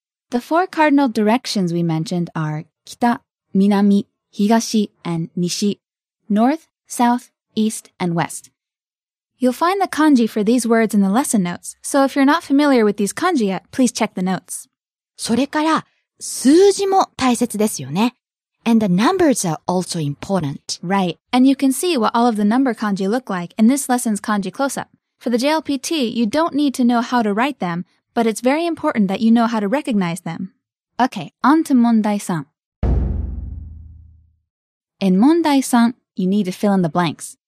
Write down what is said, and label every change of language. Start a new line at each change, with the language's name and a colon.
English: The four cardinal directions we mentioned are 北、南、東, and 西, north, south, east, and west. You'll find the kanji for these words in the lesson notes, so if you're not familiar with these kanji yet, please check the notes.
Japanese: それから、数字も大切ですよね。
English: And the numbers are also important. Right. And you can see what all of the number kanji look like in this lesson's kanji close-up. For the JLPT, you don't need to know how to write them, but it's very important that you know how to recognize them. Okay, on to 問題3. In 問題3, you need to fill in the blanks.